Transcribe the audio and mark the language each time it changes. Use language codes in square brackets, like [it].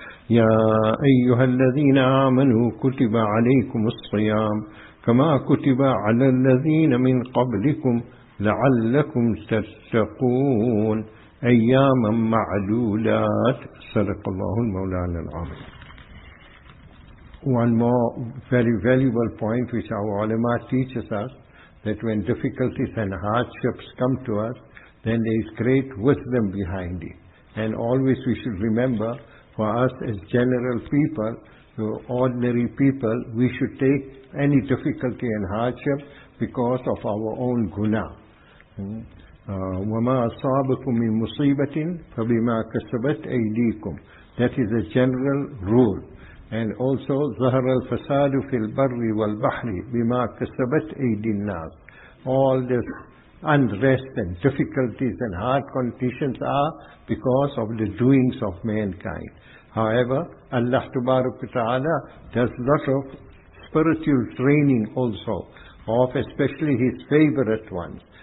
[ar] يا أيها الذين آمنوا كتب عليكم الصيام كما كتب على الذين من قبلكم لعلكم تتقون أياما معدودات. صدق الله مولانا العظيم. [en] One more very valuable point which our ulama teaches us, that when difficulties and hardships come to us, then there is great wisdom behind it. And always we should remember, for us as general people, so ordinary people, we should take any difficulty and hardship because of our own guna. [ar] وَمَا أَصَابَكُمْ مِنْ مُصِيبَةٍ فَبِمَا كَسَبَتْ أَيْدِيكُمْ. [en] That is a general rule. And also, [ar] ظَهَرَ الْفَسَادُ فِي الْبَرِّ وَالْبَحْرِ بِمَا كَسَبَتْ أَيْدِي النَّاسِ. [en] All this unrest and difficulties and hard conditions are because of the doings of mankind. However, Allah Tabaraka Ta'ala does lot of spiritual training also of especially His favorite ones.